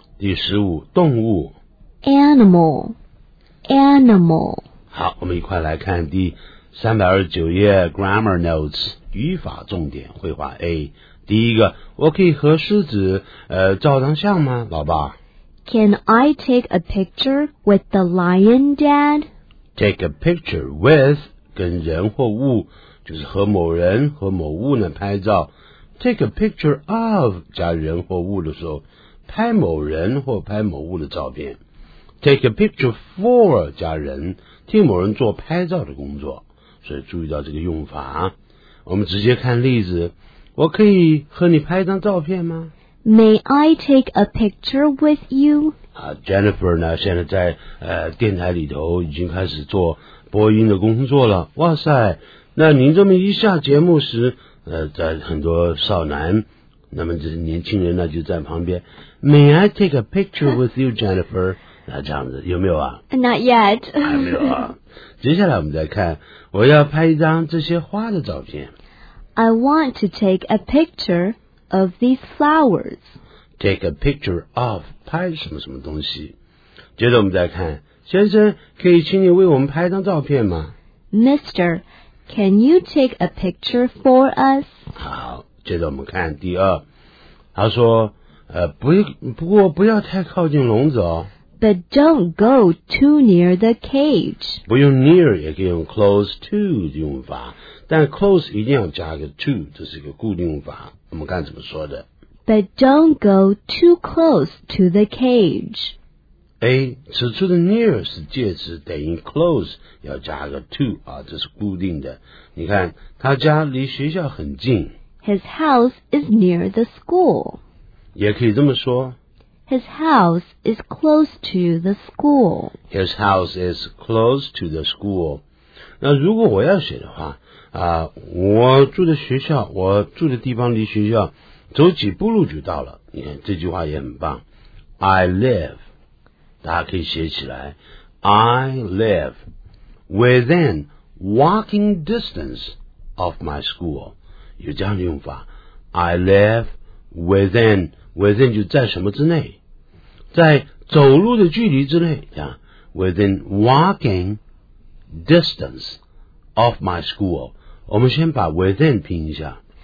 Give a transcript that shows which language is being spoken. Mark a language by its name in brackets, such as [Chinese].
[Chinese] 第15，动物 [English] Animal, animal. [Chinese] 好，我们一块来看第329页 Grammar Notes， 语法重点绘画 A。第一个，我可以和狮子照张相吗，老爸？ [English] Can I take a picture with the lion, Dad? Take a picture with [Chinese] 跟人或物，就是和某人和某物呢拍照。 [English] Take a picture of [Chinese] 加人或物的时候，拍某人或拍某物的照片。 [English] Take a picture for [Chinese] 加人，替某人做拍照的工作。所以注意到这个用法。我们直接看例子。我可以和你拍一张照片吗？ [English] May I take a picture with you? [Chinese] Jennifer 呢现在在电台里头已经开始做播音的工作了。哇塞，那您这么一下节目时在很多少男，那么这年轻人呢就在旁边。 [English] May I take a picture with you, Jennifer? [Chinese] 那这样子有没有啊？ [English] Not yet. [Chinese] 还没有啊。接下来我们再看，我要拍一张这些花的照片。 [English] I want to take a picture. Of these flowers. Take a picture of [Chinese] 拍什么什么东西。接着我们再看，先生，可以请你为我们拍张照片吗？ [English] Mister, can you take a picture for us? [Chinese] 好，接着我们看第二，他说不过不要太靠近笼子哦。 [English] But don't go too near the cage. [Chinese] 不用 near 也可以用 close to 的用法，但 close 一定要加个 to， 这是一个固定用法。我们看怎么说的。 [English] But don't go too close to the cage. [Chinese] A, 此处的 near 是介词等于 close, 要加个 to, 啊这是固定的。你看他家离学校很近。 [English] His house is near the school. [Chinese] 也可以这么说。 [English] His house is close to the school. His house is close to the school. [Chinese] 那如果我要写的话、我住的学校我住的地方离学校走几步路就到了。你看这句话也很棒。 [English] I live. [Chinese] 大家可以写起来 [English] I live within walking distance of my school [Chinese] 有这样的用法 [English] I live within within [Chinese] 就在什么之内在走路的距离之内 [English] within walking distance of my school [Chinese] 我们先把 within 拼一下